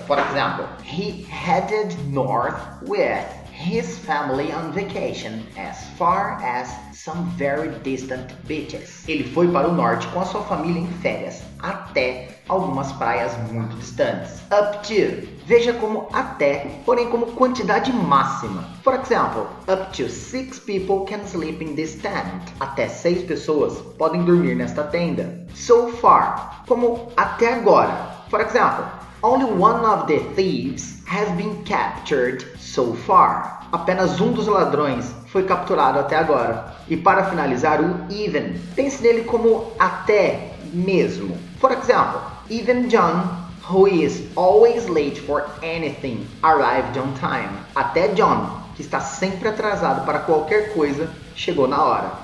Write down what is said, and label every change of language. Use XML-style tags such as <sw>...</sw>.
<en>For example, he headed north with his family on vacation as far as some very distant beaches.</en> <pt>Ele foi para o norte com a sua família em férias, até algumas praias muito distantes. Up to. Veja como até, porém como quantidade máxima.</pt> <en>For example, up to 6 people can sleep in this tent.</en> <pt>Até 6 pessoas podem dormir nesta tenda.</pt> <en>So far.</en> <pt>Como até agora.</pt> <en>For example, only one of the thieves has been captured so far.</en> <pt>Apenas um dos ladrões foi capturado até agora. E para finalizar, o even. Pense nele como até mesmo.</pt> <en>For example, even John, who is always late for anything, arrived on time.</en> <pt>Até John, que está sempre atrasado para qualquer coisa, chegou na hora.</pt>